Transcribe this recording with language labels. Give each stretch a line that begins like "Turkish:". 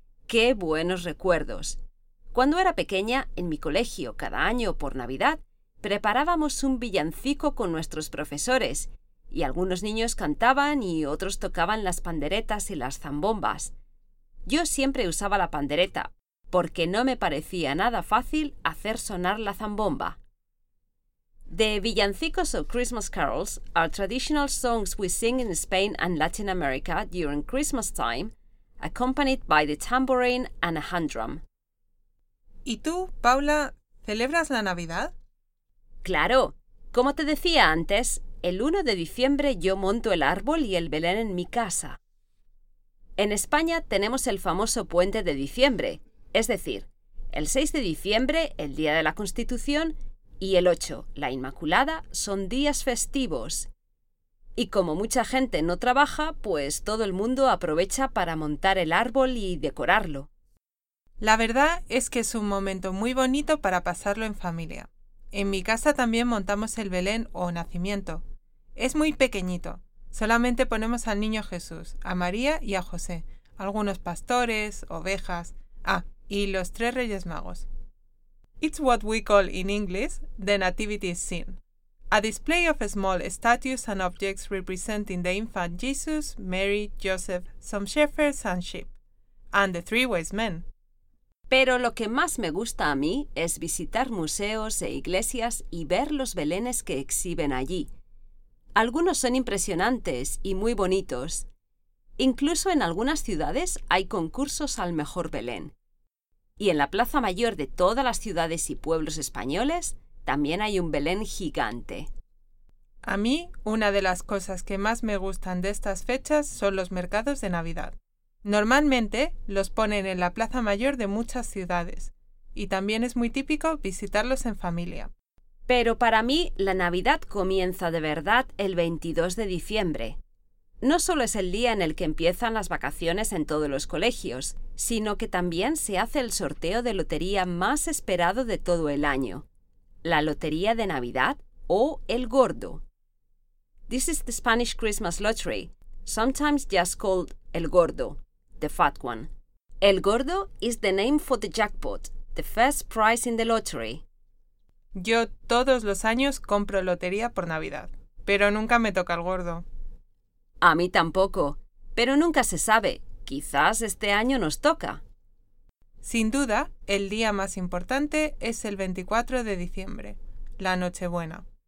Spanish: ¡Qué buenos recuerdos! Cuando era pequeña, en mi colegio, cada año por Navidad, preparábamos un villancico con nuestros profesores y algunos niños cantaban y otros tocaban las panderetas y las zambombas. Yo siempre usaba la pandereta porque no me parecía nada fácil hacer sonar la zambomba.
English: The villancicos o Christmas carols are traditional songs we sing in Spain and Latin America during Christmas time, accompanied by the tambourine and a hand drum.
Spanish: ¿Y tú, Paula, celebras la Navidad? ¡Claro! Como te decía antes, el 1 de diciembre yo monto el árbol y el Belén en mi casa. En España tenemos el famoso Puente de Diciembre, es decir, el 6 de diciembre, el Día de la Constitución, y el 8, la Inmaculada, son días festivos. Y como mucha gente no trabaja, pues todo el mundo aprovecha para montar el árbol y decorarlo. La verdad es que es un momento muy bonito para pasarlo en familia. En mi casa también montamos el Belén o nacimiento. Es muy pequeñito. Solamente ponemos al niño Jesús, a María y a José, algunos pastores, ovejas, y los tres Reyes Magos.
English: It's what we call in English the nativity scene. A display of small statues and objects representing the infant Jesus, Mary, Joseph, some shepherds and sheep, and the three wise men.
Spanish: Pero lo que más me gusta a mí es visitar museos e iglesias y ver los belenes que exhiben allí. Algunos son impresionantes y muy bonitos. Incluso en algunas ciudades hay concursos al mejor belén. Y en la Plaza Mayor de todas las ciudades y pueblos españoles también hay un belén gigante. A mí, una de las cosas que más me gustan de estas fechas son los mercados de Navidad. Normalmente los ponen en la Plaza Mayor de muchas ciudades y también es muy típico visitarlos en familia. Pero para mí la Navidad comienza de verdad el 22 de diciembre. No solo es el día en el que empiezan las vacaciones en todos los colegios, sino que también se hace el sorteo de lotería más esperado de todo el año, la Lotería de Navidad o El Gordo.
English: This is the Spanish Christmas Lottery, sometimes just called El Gordo, the fat one. El gordo is the name for the jackpot, the first prize in the lottery.
Spanish: Yo todos los años compro lotería por Navidad, pero nunca me toca el gordo. A mí tampoco, pero nunca se sabe. Quizás este año nos toca. Sin duda, el día más importante es el 24 de diciembre, la Nochebuena.